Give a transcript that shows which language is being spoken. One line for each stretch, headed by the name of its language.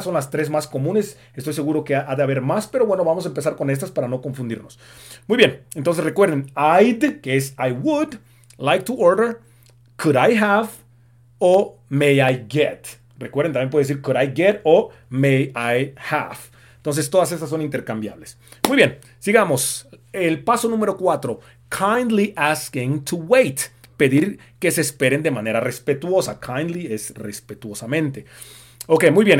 Spanish: Son las tres más comunes. Estoy seguro que ha de haber más, pero bueno, vamos a empezar con estas para no confundirnos. Muy bien. Entonces, recuerden, I'd, que es I would,
English: like to order, could I have,
Spanish: o
English: may I get.
Spanish: Recuerden, también puede decir
English: could I get
Spanish: o
English: may I have.
Spanish: Entonces, todas estas son intercambiables. Muy bien, sigamos. El paso número 4.
English: Kindly asking to wait.
Spanish: Pedir que se esperen de manera respetuosa. Kindly es respetuosamente. Ok, muy bien.